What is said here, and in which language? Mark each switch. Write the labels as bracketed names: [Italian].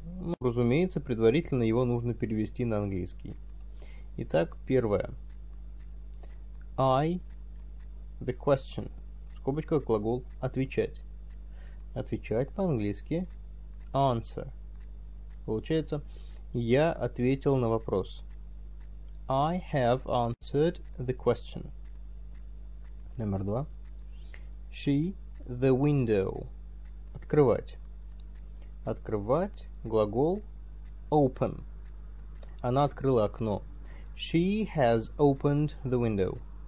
[Russian] Ну, разумеется, предварительно его нужно перевести на английский. Итак, первое. I, the question, в скобочках глагол отвечать. Отвечать по-английски. Answer. Получается, я ответил на вопрос. [English] I have answered the question. [Russian] Номер два. She, the window. Открывать. Открывать, глагол open. Она открыла окно. [English] She has opened the window.